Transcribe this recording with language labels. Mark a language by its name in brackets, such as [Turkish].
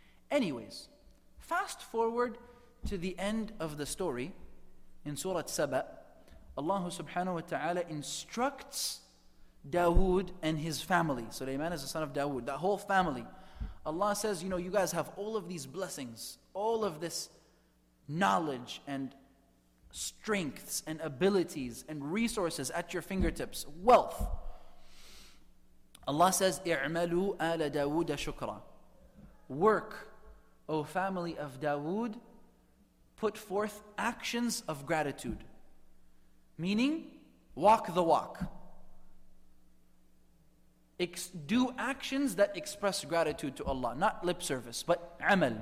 [English] Anyways, fast forward to the end of the story, in Surah Sabah, Allah subhanahu wa ta'ala instructs Dawood and his family. Sulaiman is the son of Dawood, that whole family. Allah says, you know, you guys have all of these blessings, all of this knowledge and strengths and abilities and resources at your fingertips, wealth. Allah says, [Arabic] اعملوا آل داود شكرا. [English] Work, O family of Dawood, put forth actions of gratitude. Meaning, walk the walk. Do actions that express gratitude to Allah. Not lip service, but amal.